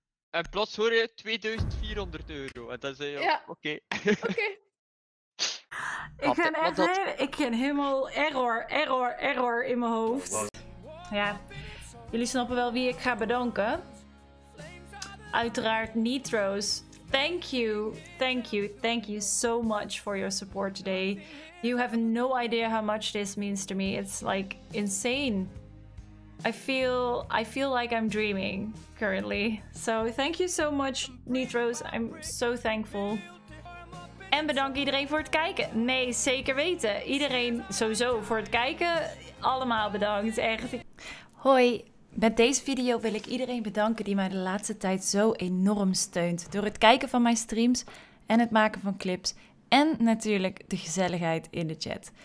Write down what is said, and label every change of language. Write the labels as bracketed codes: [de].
[nl] En plots hoor je 2400 euro. En dan zei je, ja. Oké. Ik ben echt helemaal error in mijn hoofd. Ja, jullie snappen wel wie ik ga bedanken. Uiteraard Nitro's. [en] Thank you so much for your support today. You have no idea how much this means to me. It's like insane. I feel like I'm dreaming currently. So thank you so much, Nitro's. I'm so thankful. [nl] En bedankt iedereen voor het kijken. Nee, zeker weten. Iedereen sowieso voor het kijken. Allemaal bedankt, echt. Hoi. Met deze video wil ik iedereen bedanken die mij de laatste tijd zo enorm steunt. Door het kijken van mijn streams en het maken van clips. En natuurlijk de gezelligheid in de chat.